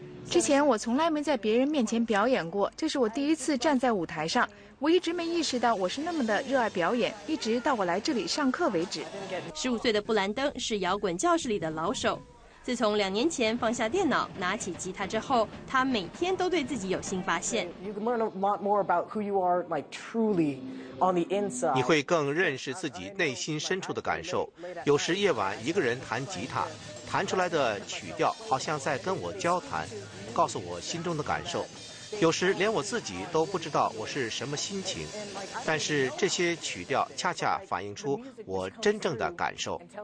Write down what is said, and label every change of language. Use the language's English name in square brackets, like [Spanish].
[Chinese] 之前我从来没在别人面前表演过，这是我第一次站在舞台上。我一直没意识到我是那么的热爱表演，一直到我来这里上课为止。 15岁的布兰登是摇滚教室里的老手。自从2年前放下电脑，拿起吉他之后，他每天都对自己有新发现。 [English] You can learn a lot more about who you are, like truly on the inside. [Chinese] 你会更认识自己内心深处的感受。有时夜晚一个人弹吉他，弹出来的曲调好像在跟我交谈，告诉我心中的感受。有时连我自己都不知道我是什么心情，但是这些曲调恰恰反映出我真正的感受。